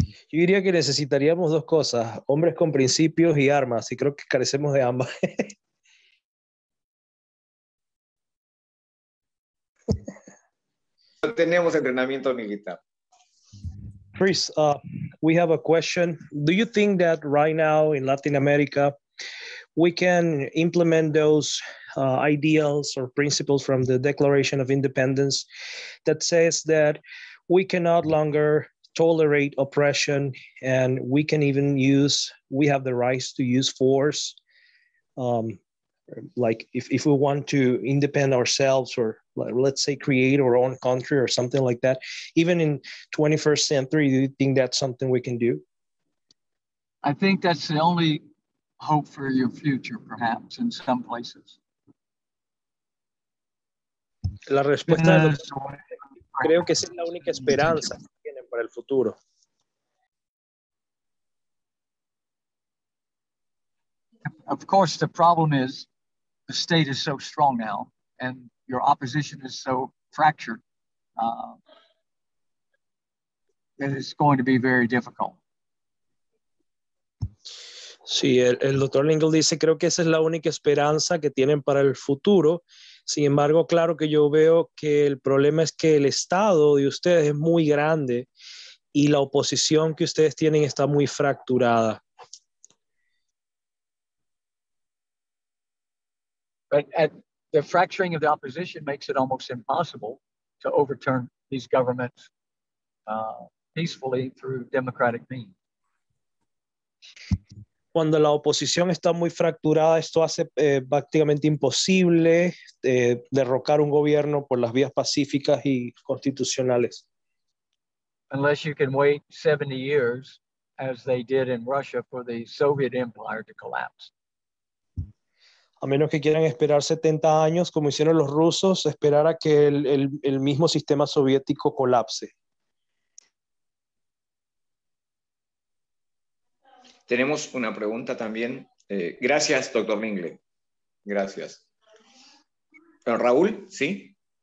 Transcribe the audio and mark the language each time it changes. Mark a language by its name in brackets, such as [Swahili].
[Spanish] Yo diría que necesitaríamos dos cosas, hombres con principios y armas, y creo que carecemos de ambas. No tenemos entrenamiento militar. [English] Chris, we have a question. Do you think that right now in Latin America we can implement those ideals or principles from the Declaration of Independence that says that we cannot longer tolerate oppression and we can even we have the rights to use force, like if we want to independ ourselves or let's say create our own country or something like that, even in 21st century, do you think that's something we can do? I think that's the only hope for your future, perhaps, in some places. [Spanish] La respuesta de los, creo que es la única esperanza que tienen para el futuro. [English] Of course, the problem is the state is so strong now, and your opposition is so fractured, that it's going to be very difficult. [Spanish] Sí, el doctor Lingle dice, creo que esa es la única esperanza que tienen para el futuro. Sin embargo, claro que yo veo que el problema es que el estado de ustedes es muy grande y la oposición que ustedes tienen está muy fracturada. [English] But at the fracturing of the opposition makes it almost impossible to overturn these governments peacefully through democratic means. [Spanish] Cuando la oposición está muy fracturada, esto hace prácticamente imposible derrocar un gobierno por las vías pacíficas y constitucionales. [English] Unless you can wait 70 years, as they did in Russia, for the Soviet Empire to collapse. [Spanish] A menos que quieran esperar 70 años, como hicieron los rusos, esperar a que el mismo sistema soviético colapse. Tenemos una pregunta también. Gracias, doctor Mingle. Gracias. Raúl, ¿sí?